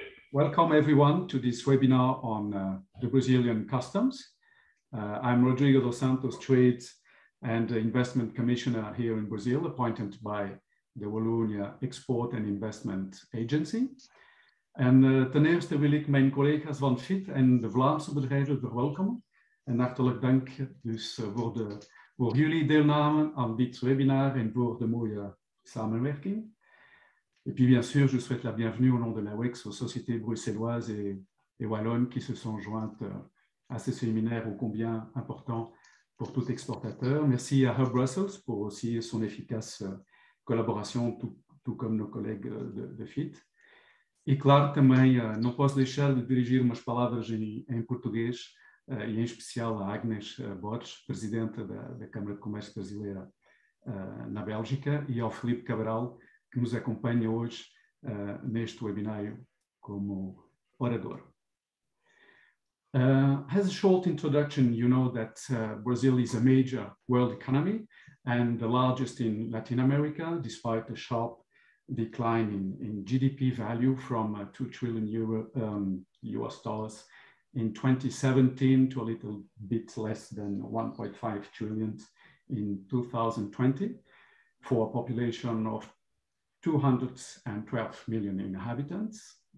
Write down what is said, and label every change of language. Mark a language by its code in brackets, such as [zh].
[en] Welcome everyone to this webinar on the Brazilian customs. I'm Rodrigo dos Santos, Trade and Investment Commissioner here in Brazil, appointed by the Wallonia Export and Investment Agency. [nl] En ten eerste wil ik mijn collega's van FIT en de Vlaamse bedrijven verwelkomen en hartelijk dank dus voor jullie deelname aan dit webinar en voor de mooie samenwerking. [fr] Et puis, bien sûr, je souhaite la bienvenue au nom de l'AWEX aux sociétés bruxelloises et wallonnes qui se sont jointes à ce séminaire ô combien important pour tout exportateur. Merci à Hub Brussels pour aussi son efficace collaboration, tout comme nos collègues de FIT. Et [pt] claro, também, não posso deixar de dirigir umas palavras em português e em especial à Agnes Borges, presidente da Câmara de Comércio Brasileira na Bélgica, e ao Felipe Cabral, que nos acompanha hoje neste webinário como orador. [en] As a short introduction, you know that Brazil is a major world economy and the largest in Latin America, despite a sharp decline in GDP value from 2 trillion US dollars in 2017 to a little bit less than 1.5 trillion in 2020, for a population of 212 million inhabitants.